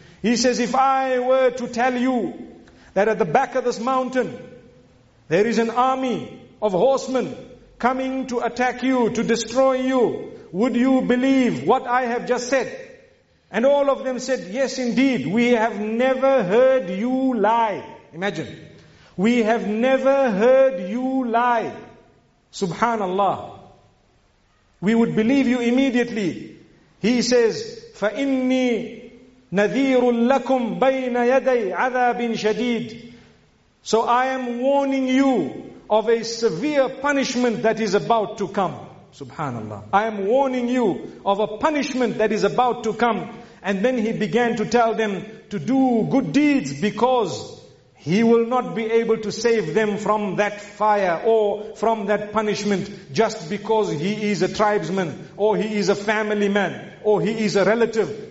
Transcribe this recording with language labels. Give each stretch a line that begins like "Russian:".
English: He says, if I were to tell you that at the back of this mountain, there is an army of horsemen coming to attack you, to destroy you, would you believe what I have just said? And all of them said, yes, indeed, we have never heard you lie. Imagine. We have never heard you lie. Subhanallah. We would believe you immediately. He says,
Arabic: فَإِنِّي نَذِيرٌ لَكُمْ بَيْنَ يَدَيْ عَذَابٍ شَدِيدٍ.
English: So I am warning you of a severe punishment that is about to come. Subhanallah. I am warning you of a punishment that is about to come. And then he began to tell them to do good deeds because he will not be able to save them from that fire or from that punishment just because he is a tribesman or he is a family man or he is a relative.